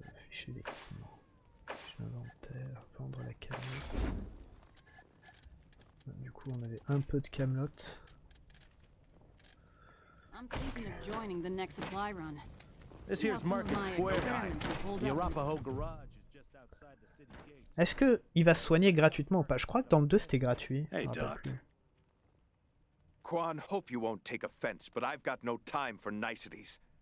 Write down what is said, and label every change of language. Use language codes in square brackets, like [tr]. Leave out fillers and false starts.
[fr] Fichez les... Inventaire, vendre la camelote. Du coup, on avait un peu de camelote. [en] I'm thinking of joining the next supply run. This here's Market Square time. The Arapahoe garage is just outside the city gate. [fr] Est-ce que il va soigner gratuitement ou pas? Je crois que dans le 2 c'était gratuit. [en] Hey Doc. Quan, hope you won't take offense, but I've got no time for niceties.